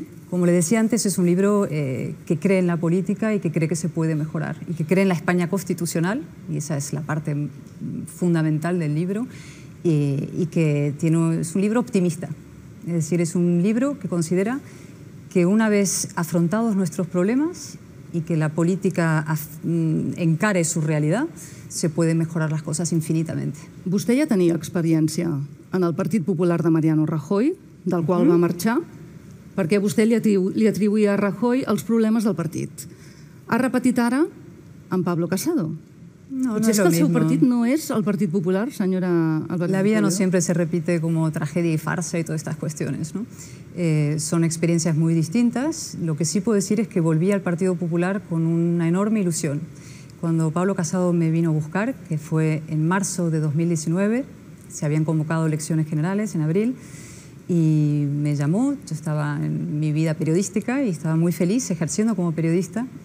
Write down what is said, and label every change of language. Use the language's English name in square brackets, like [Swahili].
[Spanish] Como le decía antes, es un libro que cree en la política y que cree que se puede mejorar y que cree en la España constitucional, y esa es la parte fundamental del libro, y que es un libro optimista. Es decir, es un libro que considera que una vez afrontados nuestros problemas y que la política encare su realidad, se pueden mejorar las cosas infinitamente. [Catalan] Vostè ja tenia experiència en el Partit Popular de Mariano Rajoy, del qual va marxar, perquè vostè li atribuïa a Rajoy els problemes del partit. Ha repetit ara amb Pablo Casado. No és que el seu partit no és el Partit Popular, senyora Albert? La vida no sempre [Spanish] se repite [Catalan] com tragèdia i farsa i totes aquestes qüestions. Són experiències molt distintes. [Spanish] Lo que sí puedo decir es que volví al Partido Popular con una enorme ilusión. Cuando Pablo Casado me vino a buscar, que fue en marzo de 2019, se habían convocado elecciones generales en abril, y me llamó, yo estaba en mi vida periodística y estaba muy feliz ejerciendo como periodista.